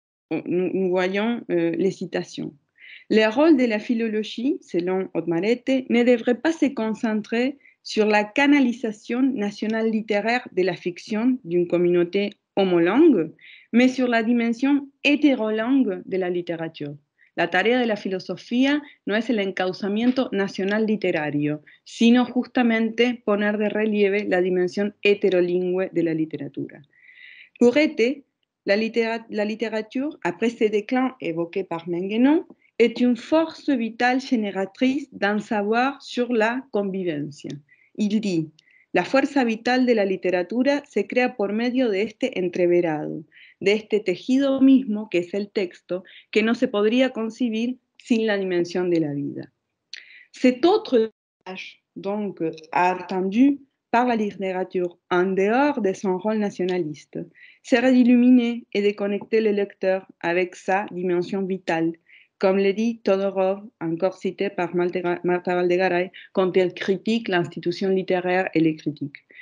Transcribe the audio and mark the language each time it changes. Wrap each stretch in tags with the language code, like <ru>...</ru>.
<fr>Nous voyons les citations. Le rôle de la philologie, selon Otmarete, ne devrait pas se concentrer sur la canalisation nationale littéraire de la fiction d'une communauté homolangue, mais sur la dimension hétérolangue de la littérature.</fr> <es>La tarea de la filosofía no es el encauzamiento nacional literario, sino justamente poner de relieve la dimensión hétérolingue de la literatura.</es> <fr>Pour Ete, la littérature, après ce déclin évoqué par Menguenon, est une force vitale génératrice d'un savoir sur la convivencia. Il dit,</fr> <es>la fuerza vital de la literatura se crea por medio de este entreverado, de este tejido mismo que es el texto, que no se podría concebir sin la dimensión de la vida.</es> <fr>Cette autre tâche, donc, attendue par la littérature en dehors de son rôle nationaliste, serait d'illuminer et de connecter le lecteur avec sa dimension vitale, comme le dit Todorov, encore cité par Marta Valdegaray, quand elle critique l'institution littéraire et les critiques.</fr>